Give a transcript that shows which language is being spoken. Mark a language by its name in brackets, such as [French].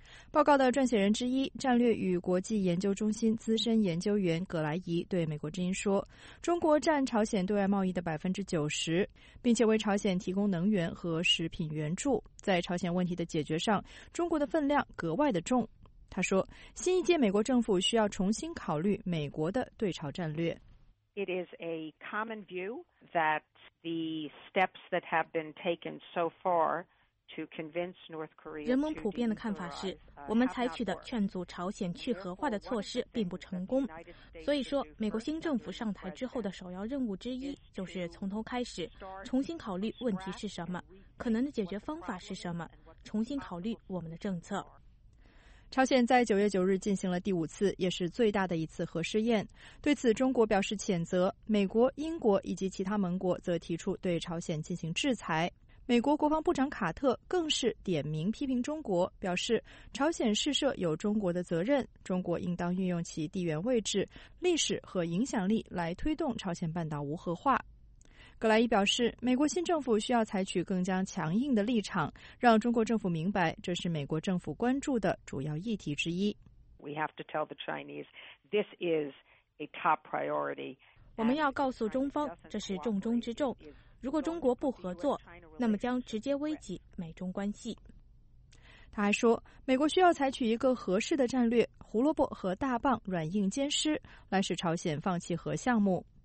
[Chinese] 报告的撰写人之一、战略与国际研究中心资深研究员葛莱仪对美国之音说，中国占朝鲜对外贸易的 90%， 并且为朝鲜提供能源和食品援助。在朝鲜问题的解决上，中国的分量格外的重。他说，新一届美国政府需要重新考虑美国的对朝战略。 [English] It is a common view that the steps that have been taken so far to convince North Korea. [Chinese] 人们普遍的看法是，我们采取的劝阻朝鲜去核化的措施并不成功。所以说，美国新政府上台之后的首要任务之一就是从头开始，重新考虑问题是什么，可能的解决方法是什么，重新考虑我们的政策。朝鲜在9月9日进行了第五次，也是最大的一次核试验。对此，中国表示谴责，美国、英国以及其他盟国则提出对朝鲜进行制裁。美国国防部长卡特更是点名批评中国，表示朝鲜试射有中国的责任，中国应当运用其地缘位置、历史和影响力来推动朝鲜半岛无核化。葛莱仪表示，美国新政府需要采取更加强硬的立场，让中国政府明白这是美国政府关注的主要议题之一。 [English] We have to tell the Chinese this is a top priority. [Chinese] 我们要告诉中方，这是重中之重，如果中国不合作，那么将直接危及美中关系。他还说，美国需要采取一个合适的战略，胡萝卜和大棒软硬兼施，来使朝鲜放弃核项目。